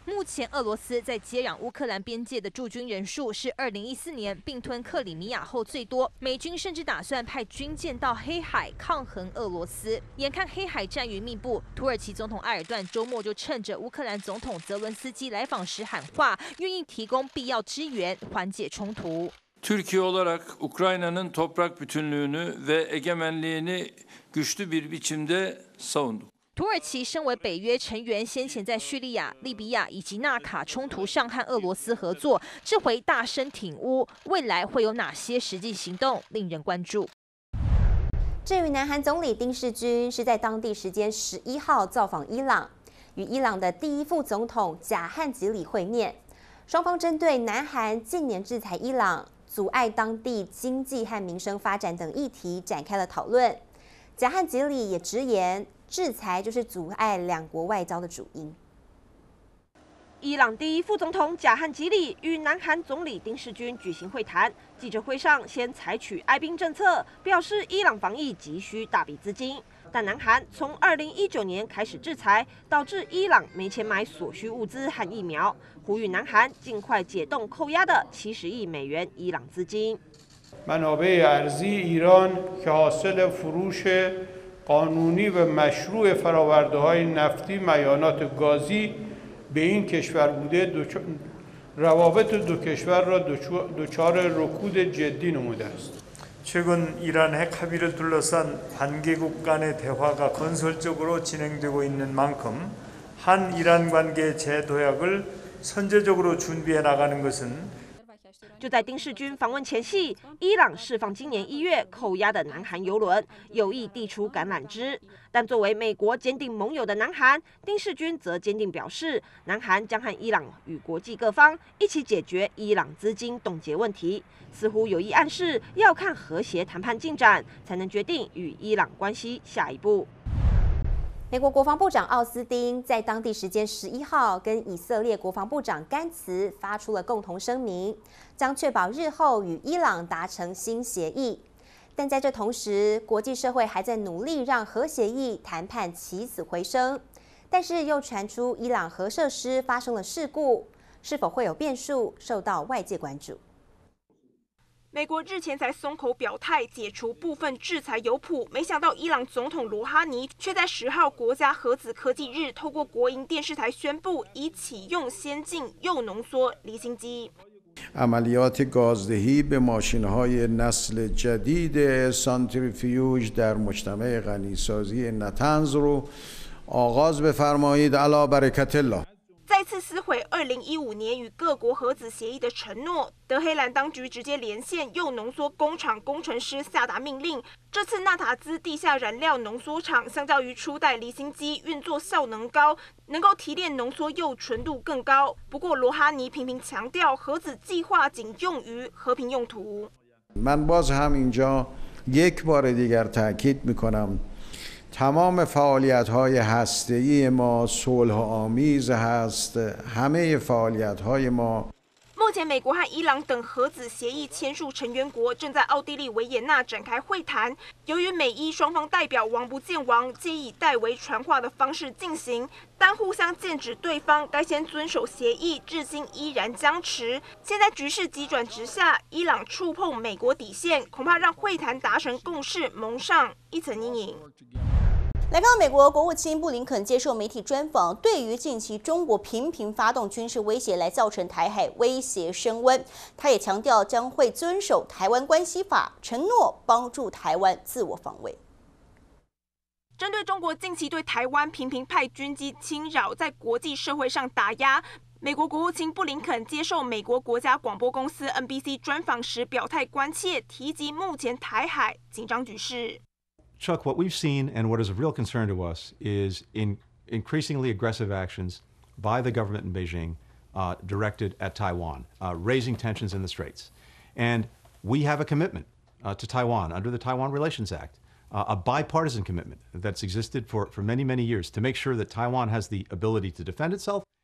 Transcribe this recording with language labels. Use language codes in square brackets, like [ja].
[zh] 目前，俄罗斯在接壤乌克兰边界的驻军人数是2014年并吞克里米亚后最多。美军甚至打算派军舰到黑海抗衡俄罗斯。眼看黑海战云密布，土耳其总统埃尔段周末就趁着乌克兰总统泽伦斯基来访时喊话，愿意提供必要支援，缓解冲突。 [tr] Türkiye olarak Ukrayna'nın toprak bütünlüğünü ve egemenliğini güçlü bir biçimde savunduk。 [zh] 土耳其身为北约成员，先前在叙利亚、利比亚以及纳卡冲突上和俄罗斯合作，这回大声挺乌，未来会有哪些实际行动，令人关注。至于南韩总理丁世钧，是在当地时间11号造访伊朗，与伊朗的第一副总统贾汉吉里会面，双方针对南韩近年制裁伊朗、阻碍当地经济和民生发展等议题展开了讨论。贾汉吉里也直言，制裁就是阻碍两国外交的主因。伊朗第一副总统贾汉吉里与南韩总理丁世钧举行会谈，记者会上先采取哀兵政策，表示伊朗防疫急需大笔资金。但南韩从2019年开始制裁，导致伊朗没钱买所需物资和疫苗，呼吁南韩尽快解冻扣押的70亿美元伊朗资金。 [fa] منابع ارزی ایران که حاصل فروش قانونی و مشروع فراورده‌های نفتی میانات گازی به این کشور بوده، روابط دو کشور را دچار رکود جدی نموده است. [ko] 최근 이란 핵 합의를 둘러싼 관계국 간의 대화가 건설적으로 진행되고 있는 만큼 한 이란 관계 재도약을 선제적으로 준비해 나가는 것은 [zh] 就在丁世钧访问前夕，伊朗释放今年1月扣押的南韩邮轮，有意递出橄榄枝。但作为美国坚定盟友的南韩，丁世钧则坚定表示，南韩将和伊朗与国际各方一起解决伊朗资金冻结问题，似乎有意暗示要看和谐谈判进展，才能决定与伊朗关系下一步。美国国防部长奥斯汀在当地时间11号跟以色列国防部长甘茨发出了共同声明，将确保日后与伊朗达成新协议。但在这同时，国际社会还在努力让核协议谈判起死回生，但是又传出伊朗核设施发生了事故，是否会有变数，受到外界关注。美国日前才松口表态，解除部分制裁有谱，没想到伊朗总统罗哈尼却在10号国家核子科技日，透过国营电视台宣布，已启用先进又浓缩离心机。 [fa] عملیات گازدهی به ماشین‌های نسل جدید سانتریفیوژ در مجتمع غنی‌سازی نتنز رو آغاز بفرمایید علی برکت الله。 [zh] 再次撕毁2015年与各国核子协议的承诺，德黑兰当局直接连线铀浓缩工厂工程师下达命令。这次纳塔兹地下燃料浓缩厂相较于初代离心机运作效能高，能够提炼浓缩铀纯度更高。不过罗哈尼频频强调，核子计划仅用于和平用途。 [fa] من باز هم اینجا یک بار دیگر تأکید میکنم. تمام فعالیت‌های هسته‌ای ما صلح آمیز است، همه فعالیت‌های ما。 [zh] 目前，美国和伊朗等核子协议签署成员国正在奥地利维也纳展开会谈。由于美伊双方代表王不见王，皆以代为传话的方式进行，但互相剑指对方该先遵守协议，至今依然僵持。现在局势急转直下，伊朗触碰美国底线，恐怕让会谈达成共识蒙上一层阴影。来看美国国务卿布林肯接受媒体专访，对于近期中国频频发动军事威胁来造成台海威胁升温，他也强调将会遵守台湾关系法，承诺帮助台湾自我防卫。针对中国近期对台湾频频派军机侵扰，在国际社会上打压，美国国务卿布林肯接受美国国家广播公司 NBC 专访时表态关切，提及目前台海紧张局势。 [en] Chuck, what we've seen and what is of real concern to us is increasingly aggressive actions by the government in Beijing directed at Taiwan, raising tensions in the Straits. And we have a commitment to Taiwan under the Taiwan Relations Act, a bipartisan commitment that's existed for many, many years to make sure that Taiwan has the ability to defend itself.